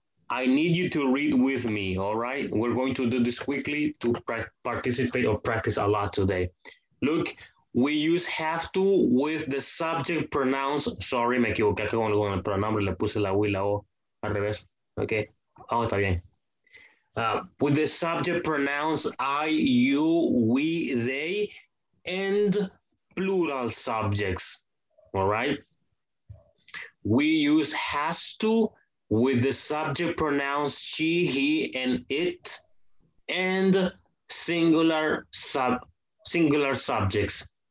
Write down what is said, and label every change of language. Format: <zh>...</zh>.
<en>I need you to read with me, all right? We're going to do this quickly to participate or practice a lot today. Look, we use have to with the subject pronouns.</en> <es>Sorry, me equivoqué con el pronoun, le puse la U y la O al revés. Okay, oh, está bien.</es> <en>With the subject pronouns, I, you, we, they, and plural subjects, all right? We use has to with the subject pronouns she, he, and it, and singular subjects.</en>